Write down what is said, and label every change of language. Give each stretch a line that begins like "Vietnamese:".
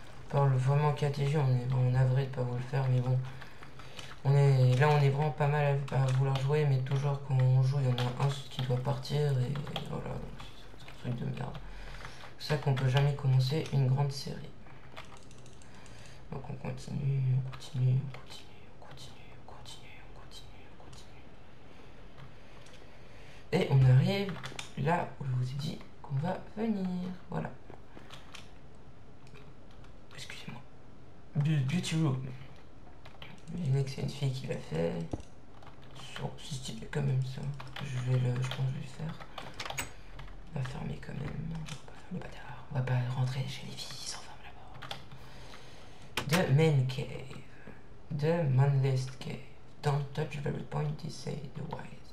French: Parle vraiment KTG, on est vraiment navré de pas vous le faire, mais bon. Là on est vraiment pas mal à vouloir jouer, mais toujours quand on joue, il y en a un qui doit partir, et voilà, donc c'est un truc de merde. C'est ça qu'on peut jamais commencer une grande série. Donc on continue, on continue, on continue, on continue, on continue, on continue, on continue. Et on arrive là où je vous ai dit qu'on va venir. Voilà. Excusez-moi. Beauty Room. J'imagine que c'est une fille qui l'a fait. Oh, c'est stylé quand même ça. Je pense que je vais le faire. On va fermer quand même. Le bâtard, on va pas rentrer chez les filles, ils s'enferment là-bas.
English: The main cave. The manliest cave. Don't touch very pointy, say the wise.